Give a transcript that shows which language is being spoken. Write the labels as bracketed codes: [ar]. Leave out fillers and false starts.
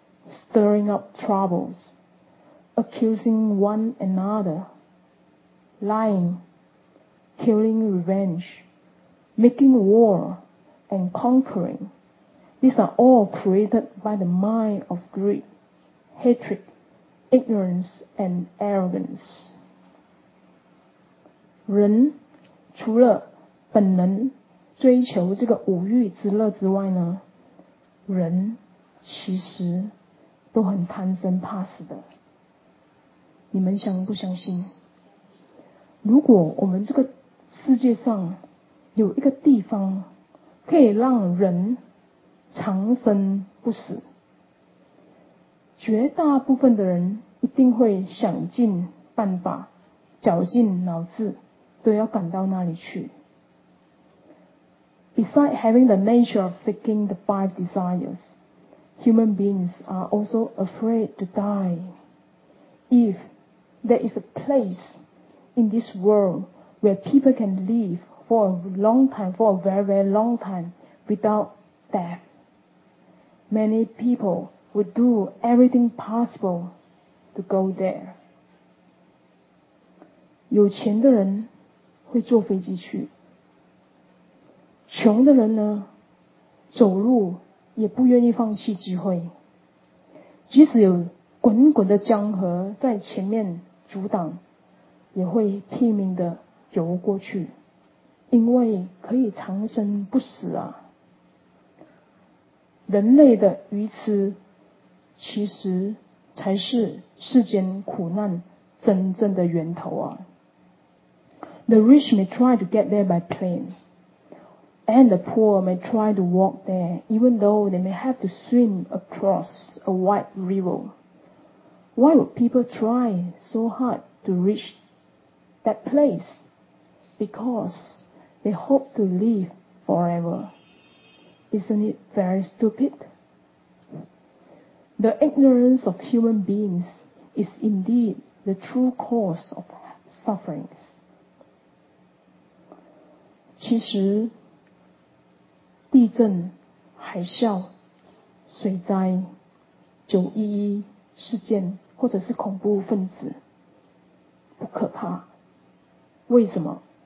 [en] stirring up troubles, accusing one another, lying, killing revenge, making war, and conquering. These are all created by the mind of greed, hatred, ignorance, and arrogance. [zh] 人除了本能追求这个五欲之乐之外呢，人其实都很贪生怕死的。你们相不相信？如果我们这个世界上有一个地方可以让人长生不死，绝大部分的人一定会想尽办法，绞尽脑汁都要赶到那里去。 [en] Besides having the nature of seeking the five desires, human beings are also afraid to die. If there is a place in this world where people can live for a long time, for a very, very long time without death, many people would do everything possible to go there. [zh] 有钱的人会坐飞机去，穷的人呢，走路也不愿意放弃机会。即使有滚滚的江河在前面阻挡，也会拼命的游过去，因为可以长生不死啊。人类的愚痴其实才是世间苦难真正的源头啊。 [en] The rich may try to get there by plane, and the poor may try to walk there, even though they may have to swim across a wide river. Why would people try so hard to reach that place? Because they hope to live forever. Isn't it very stupid? The ignorance of human beings is indeed the true cause of sufferings. [zh] 其实地震、海啸、水灾、911事件或者是恐怖分子不可怕，为什么？